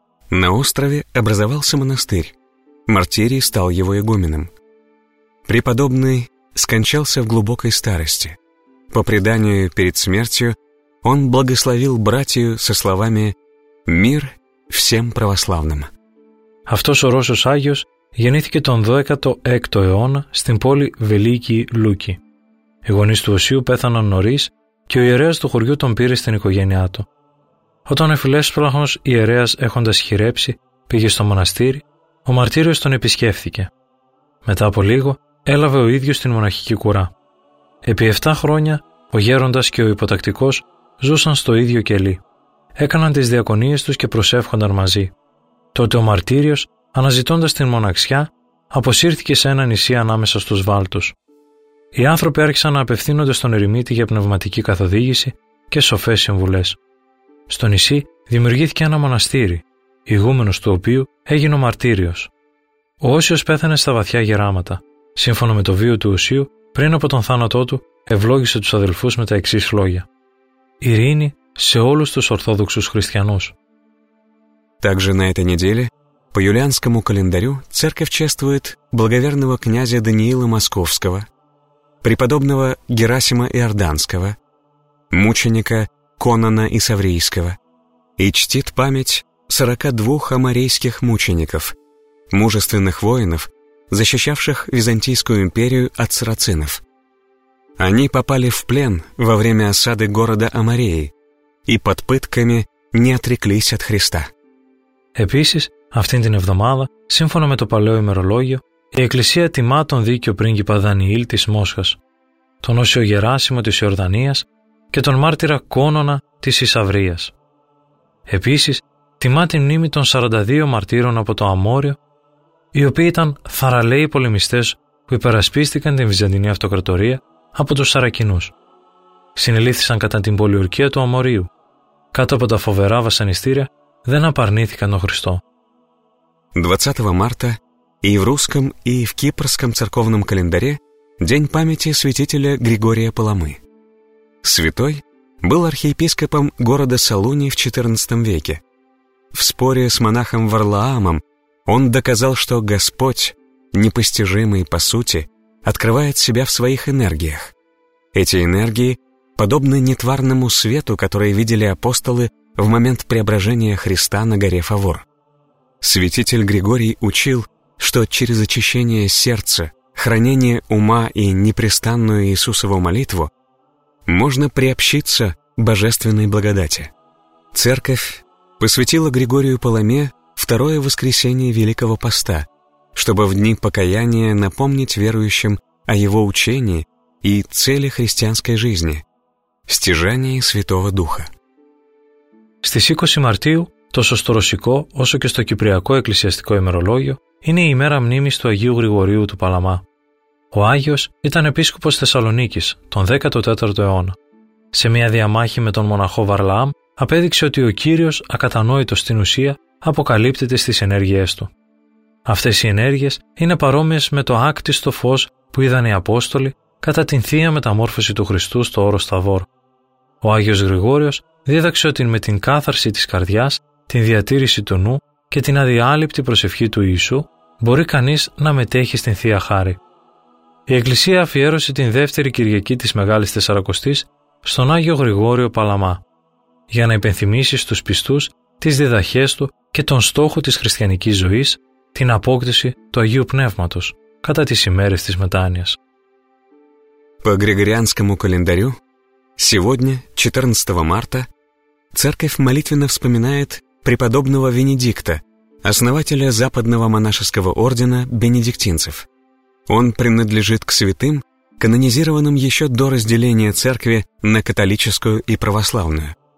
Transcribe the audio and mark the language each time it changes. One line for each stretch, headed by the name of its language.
Russian: На острове образовался монастырь. Мартирий стал его игуменом. Преподобный скончался в глубокой старости. По преданию, перед смертью он благословил братию со словами «Мир всем православным».
Greek: Αυτός ο Ρώσος Άγιος γεννήθηκε τον 16ο αιώνα στην πόλη Βελίκη Λούκη. Οι γονείς του Οσίου πέθαναν νωρίς και ο ιερέας του χωριού τον πήρε στην οικογένειά του. Όταν ο φιλέσπλαχνος ιερέας, έχοντας χειρέψει, πήγε στο μοναστήρι, ο μαρτύριος τον επισκέφθηκε. Μετά από λίγο έλαβε ο ίδιος την μοναχική κουρά. Επί 7 χρόνια ο γέροντας και ο υποτακτικός ζούσαν στο ίδιο κελί. Έκαναν τις διακονίες τους και προσεύχονταν μαζί. Τότε ο μαρτύριος, αναζητώντας την μοναξιά, αποσύρθηκε σε ένα νησί ανάμεσα στους Βάλτους. Οι άνθρωποι άρχισαν να απευθύνονται στον ερημίτη για πνευματική καθοδήγηση και σοφές συμβουλές. Στο νησί δημιουργήθηκε ένα μοναστήρι, ηγούμενος του οποίου έγινε ο μαρτύριος. Ο Όσιος πέθανε στα βαθιά γεράματα. Σύμφωνα με το βίο του Οσίου, πριν από τον θάνατό του, ευλόγησε τους αδελφούς με τα εξής λόγια: «Ειρήνη σε όλους τους Ορθόδοξους Χριστιανούς».
Russian: Также на этой неделе по юлианскому календарю церковь чествует благоверного князя Даниила Московского, преподобного Герасима Иорданского, мученика Конона Исаврийского и чтит память 42 амарейских мучеников, мужественных воинов, защищавших Византийскую империю от сарацинов. Они попали в плен во время осады города Амареи и под пытками не отреклись от Христа.
Greek: Επίσης, αυτήν την εβδομάδα, σύμφωνα με το παλαιό ημερολόγιο, η Εκκλησία τιμά τον δίκαιο πρίγκιπα Δανιήλ της Μόσχας, τον Όσιο Γεράσιμο της Ιορδανίας και τον μάρτυρα Κόνονα της Ισαυρίας. Επίσης, τιμά την μνήμη των 42 μαρτύρων από το Αμόριο, οι οποίοι ήταν θαραλέοι πολεμιστές που υπερασπίστηκαν την Βυζαντινή Αυτοκρατορία από τους Σαρακινούς. Συνελήφθησαν κατά την πολιορκία του Αμορίου. Κάτω από τα φοβερά βασανιστήρια δεν απαρνήθηκαν τον Χριστό.
Russian: 20 Μάρτα, и в русском, и в кипрском церковном календаре, день памяти святителя Григория Паламы. Святой был архиепископом города Салуни в 14 веке. В споре с монахом Варлаамом он доказал, что Господь, непостижимый по сути, открывает себя в своих энергиях. Эти энергии подобны нетварному свету, который видели апостолы в момент преображения Христа на горе Фавор. Святитель Григорий учил, что через очищение сердца, хранение ума и непрестанную Иисусову молитву можно приобщиться божественной благодати. Церковь посвятила Григорию Паламе второе воскресенье Великого Поста, чтобы в дни покаяния напомнить верующим о его учении и цели христианской жизни – стяжании Святого Духа.
Greek: Στις 20 Μαρτίου, τόσο στο ρωσικό όσο και στο κυπριακό εκκλησιαστικό ημερολόγιο, είναι η ημέρα μνήμης του Αγίου Γρηγορίου του Παλαμά. Ο Άγιος ήταν επίσκοπος Θεσσαλονίκης τον 14ο αιώνα. Σε μια διαμάχη με τον μοναχό Βαρλαάμ, απέδειξε ότι ο Κύριος, ακατανόητος στην ουσία, αποκαλύπτεται στις ενέργειές του. Αυτές οι ενέργειες είναι παρόμοιες με το άκτιστο φως που είδαν οι Απόστολοι κατά την Θεία Μεταμόρφωση του Χριστού στο Όρος Σταβόρ. Ο Άγιος Γρηγόριος δίδαξε ότι με την κάθαρση της καρδιάς, την διατήρηση του νου και την αδιάλειπτη προσευχή του Ιησού μπορεί κανείς να μετέχει στην Θεία Χάρη. Η Εκκλησία αφιέρωσε την δεύτερη Κυριακή της Μεγάλης Τεσσαρακοστής στον Άγιο Γρηγόριο Παλαμά, για να υπενθυμίσει στους πιστούς τις διδαχές του και τον στόχο της χριστιανικής ζωής, την απόκτηση του Αγίου Πνεύματος κατά τις ημέρες της μετάνοιας.
Russian: По Григорианскому календарю сегодня, 14 марта, церковь молитвенно вспоминает преподобного Венедикта, основателя западного монашеского ордена бенедиктинцев. Он принадлежит к святым, канонизированным еще до разделения церкви на католическую и православную.